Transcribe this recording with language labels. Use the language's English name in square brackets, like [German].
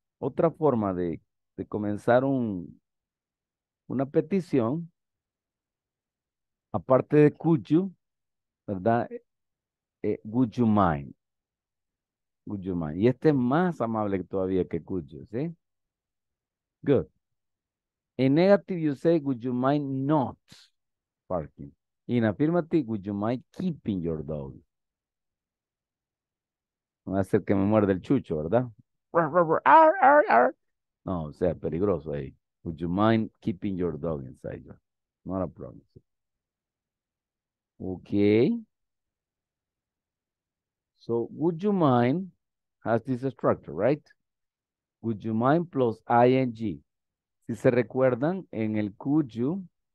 [Spanish] Otra forma de comenzar una petición, aparte de could you, ¿verdad? [English] Would you mind. Would you mind. [Spanish] Y este es más amable todavía que could you, ¿sí? Good. [English] In negative, you say, would you mind not parking? In affirmative, would you mind keeping your dog? [Spanish] No va a ser que me muerde el chucho, ¿verdad? No, o sea, peligroso ahí. [English] Would you mind keeping your dog inside you? Not a problem. Okay. So, would you mind has this structure, right? Would you mind plus ing. [Spanish] Si se recuerdan, en el [English] could you.